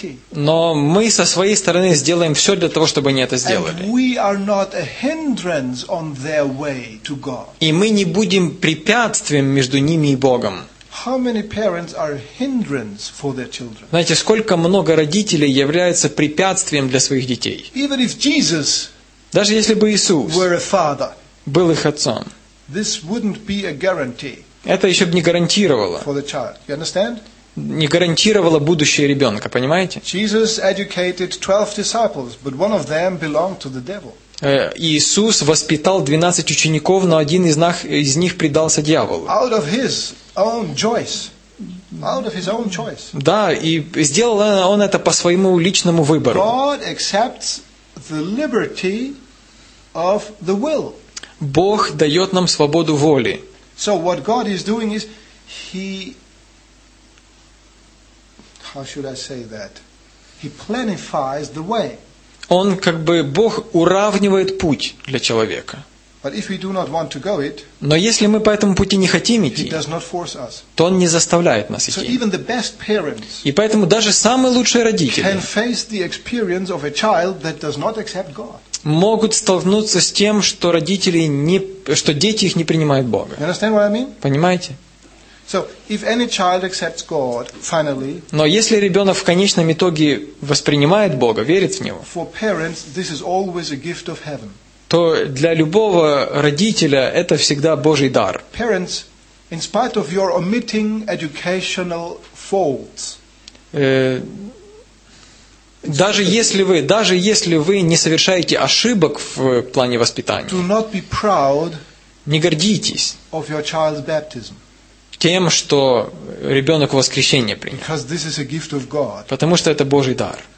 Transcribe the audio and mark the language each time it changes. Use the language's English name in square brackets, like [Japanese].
[Russian] Но мы со своей стороны сделаем все для того, чтобы они это сделали. И мы не будем препятствием между ними и Богом. [English] How many parents are a hindrance for their children? [Russian] Знаете, сколько много родителей являются препятствием для своих детей. [English] Even if Jesus, [Russian] даже если бы Иисус [English] were a father, [Russian] был их отцом, [English] this wouldn't be a guarantee. [Russian] Это еще бы не гарантировало. [English] For the child, you understand? [Russian] Не гарантировало будущее ребенка, понимаете? [English] Jesus educated 12 disciples, but one of them belonged to the devil. [Russian] Иисус воспитал 12 учеников, но один из них предался дьяволу. [English] Out of his own choice. Out of his own choice. [Russian] Да, и сделал он это по своему личному выбору. [English] God accepts the liberty of the will. [Russian] Бог дает нам свободу воли. [English] So what God is doing is he, how should I say that? He planifies the way. [Russian] Он как бы, Бог уравнивает путь для человека. [English] But if we do not want to go it, [Russian] но если мы по этому пути не хотим идти, [English] he does not force us. [Russian] То Он не заставляет нас идти. [English] So even the best parents, [Russian] и поэтому даже самые лучшие родители, [English] can face the experience of a child that does not accept God. [Russian] Могут столкнуться с тем, что родители не, что дети их не принимают Бога. [English] You understand what I mean? [Russian] Понимаете? [English] So, if any child accepts God, finally, [Russian] но если ребенок в конечном итоге воспринимает Бога, верит в Него, [English] for parents, this is always a gift of heaven. [Russian] То для любого родителя это всегда Божий дар. [English] Parents, in spite of your omitting educational faults, [Russian] даже если вы не совершаете ошибок в плане воспитания, [English] do not be proud, [Russian] не гордитесь [English] of your child's baptism. [Russian] Тем, что ребенок воскрешение принял. Потому что это Божий дар.